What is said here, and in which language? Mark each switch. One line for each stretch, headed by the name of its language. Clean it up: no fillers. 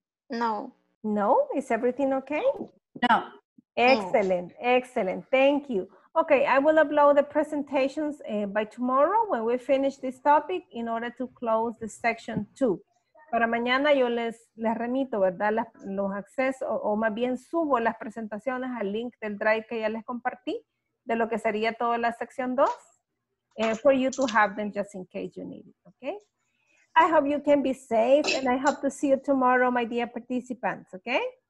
English: No. No? Is everything okay? No. Excellent. No. Excellent. Thank you. Okay, I will upload the presentations by tomorrow when we finish this topic in order to close the section 2.
Spanish: Para mañana yo les remito, ¿verdad? Los accesos o más bien subo las presentaciones al link del Drive que ya les compartí de lo que sería toda la sección 2.
English: For you to have them just in case you need it, okay? I hope you can be safe and I hope to see you tomorrow, my dear participants, okay?